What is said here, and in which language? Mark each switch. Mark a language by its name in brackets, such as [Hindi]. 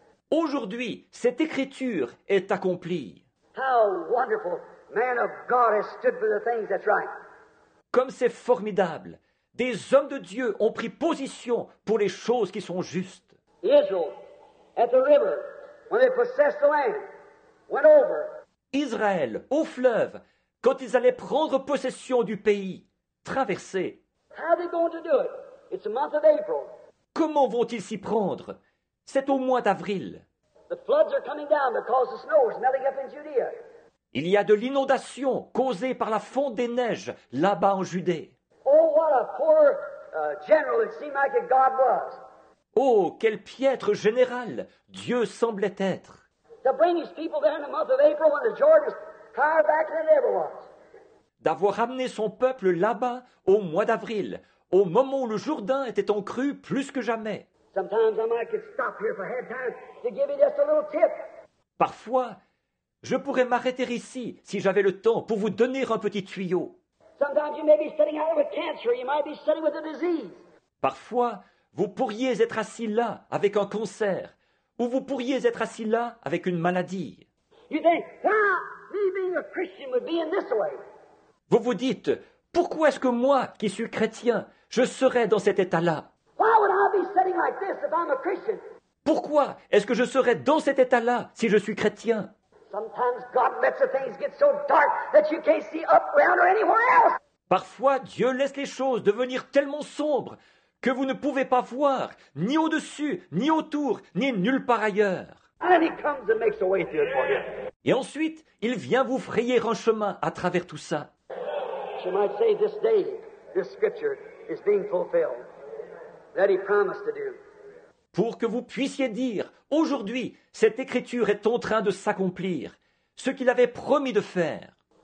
[French] Aujourd'hui, cette écriture est accomplie. [English] How wonderful, man of God has stood for the things that's right. [French] Comme c'est formidable, des hommes de Dieu ont pris position pour les choses qui sont justes. [English] Israel, at the river, when they possessed the land, went over. [French] Israël, au fleuve, quand ils allaient prendre possession du pays, traverser. [English] How are they going to do it? It's the month of April. [French] Comment vont-ils s'y prendre? C'est au mois d'avril. [English] The floods are coming down because the snow is melting up in Judea. [French] Il y a de l'inondation causée par la fonte des neiges là-bas en Judée. [English] Oh, what a poor general it seemed like God was. [French] Oh, quel piètre général Dieu semblait être. [English] To bring his people there in the month of April when the Jordan is higher back than it ever was. [French] D'avoir amené son peuple là-bas au mois d'avril, au moment où le Jourdain était en crue plus que jamais. [English] Sometimes I might stop here for half time to give you just a little tip. [French] Parfois, je pourrais m'arrêter ici si j'avais le temps pour vous donner un petit tuyau. [English] Sometimes you may be sitting out with cancer, you might be sitting with a disease. [French] Parfois, vous pourriez être assis là avec un cancer, ou vous pourriez être assis là avec une maladie. [English] You think, why me being a Christian would be in this way? [French] Vous vous dites, pourquoi est-ce que moi, qui suis chrétien, je serais dans cet état-là? [English] Why would I be sitting like this if I'm a Christian? [French] Pourquoi est-ce que je serais dans cet état-là si je suis chrétien? [English] Sometimes God lets the things get so dark that you can't see up, around, or anywhere else. [French] Parfois, Dieu laisse les choses devenir tellement sombres que vous ne pouvez pas voir ni au-dessus, ni autour, ni nulle part ailleurs. [English] And he comes and makes a way through it for you. [French] Et ensuite, il vient vous frayer un chemin à travers tout ça. [English] You might say this day, this scripture is being fulfilled that he promised to do. [French] Pour que vous puissiez dire, aujourd'hui, cette écriture est en train de s'accomplir, ce qu'il avait promis de faire.